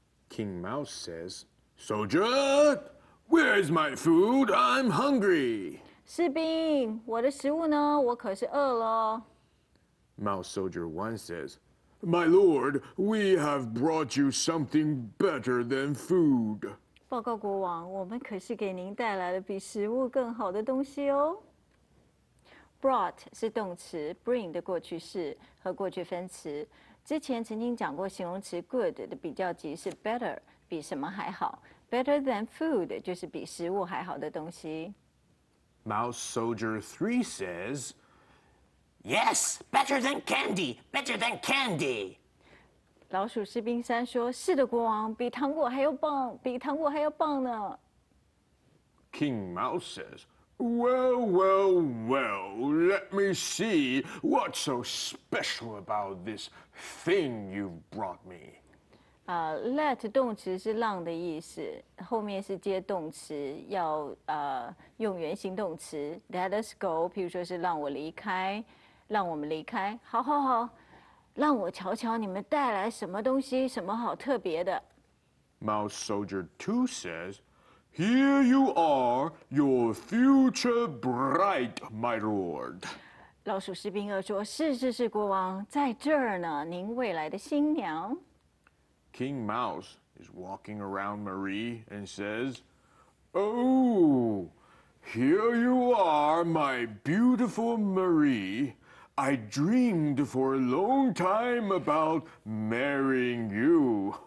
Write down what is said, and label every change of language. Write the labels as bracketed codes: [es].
[en] King Mouse says, "Soldier, where is my food? I'm hungry." [zh] 士兵，我的食物呢？我可是饿了。 [en] Mouse Soldier 1 says,My lord, we have brought you something better than food. [zh] 报告国王，我们可是给您带来了比食物更好的东西哦。 Brought 是动词 ，bring 的过去式和过去分词。之前曾经讲过形容词 good 的比较级是 better， 比什么还好。 [en] Better than food [zh] 就是比食物还好的东西。 [en] Mouse Soldier 3 says,Yes, better than candy, better than candy. [zh] 老鼠士兵三说，是的，国王，比糖果还要棒，比糖果还要棒呢。 [en] King Mouse says, well, well, well, let me see what's so special about this thing you've brought me. [zh] Let 动词是让的意思，后面是接动词，要用原形动词。 [en] Let us go, [zh] 譬如说是让我离开。让我们离开，好好好，让我瞧瞧你们带来什么东西，什么好特别的。 [en] Mouse Soldier 2 says, Here you are, your future bride, my lord. [zh] 老鼠士兵二说，是是是，国王，在这儿呢，您未来的新娘。 [en] King Mouse is walking around Marie and says, Oh, here you are, my beautiful Marie. I dreamed for a long time about marrying you.